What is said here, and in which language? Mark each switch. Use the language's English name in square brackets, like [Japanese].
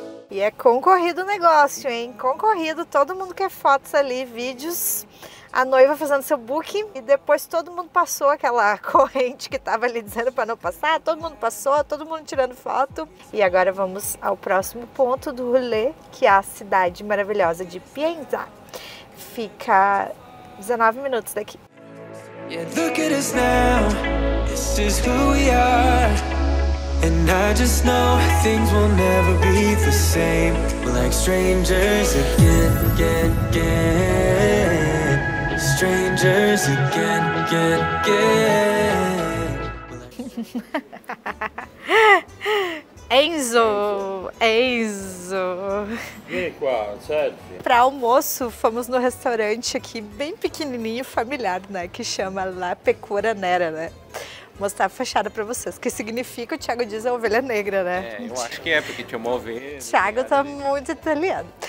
[Portuguese] E é concorrido o negócio, hein? Concorrido, todo mundo quer fotos ali, vídeos, a noiva fazendo seu booking e depois todo mundo passou aquela corrente que tava ali dizendo para não passar, todo mundo passou, todo mundo tirando foto. E agora vamos ao próximo ponto do rolê, que é a cidade maravilhosa de Pienza. Fica 19 minutos daqui. [English] Yeah, look at us now, this is who we are. And I just know things will never be the same. We're like strangers again, again, again. Strangers again, again, again. Enzo! Enzo! [Portuguese] Qual? Certo? Pra almoço, fomos no restaurante aqui, bem pequenininho, familiar, né? Que chama La Pecora Nera, né? Mostrar fechada pra vocês, que significa o Thiago diz a ovelha negra, né? É, eu acho que é, porque tinha uma ovelha. Thiago tá ali. Muito italiano.